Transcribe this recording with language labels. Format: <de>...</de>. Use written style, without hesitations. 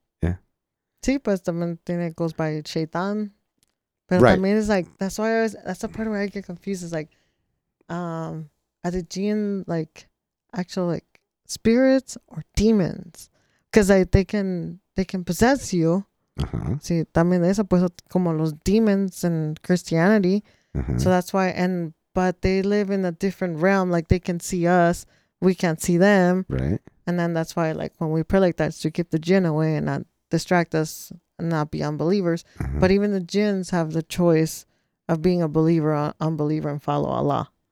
<en>Yeah.</en> <es>Sí, pues también tiene</es> <en>goes by</en> <es>Shaitan.</es> <en>But right. I mean, it's like, that's why I always, that's the part where I get confused. It's like, are the jinn like actual like spirits or demons? Because like, they can possess you. Uh-huh.</en> <es>Sí, también eso, pues, como los</es> <en>demons in Christianity. Uh-huh. So that's why, but they live in a different realm. Like they can see us, we can't see them. Right. And then that's why, like, when we pray like that, it's to keep the jinn away and not distract us. Not be unbelievers, uh-huh. but even the jinns have the choice of being a believer or unbeliever and follow Allah.</en>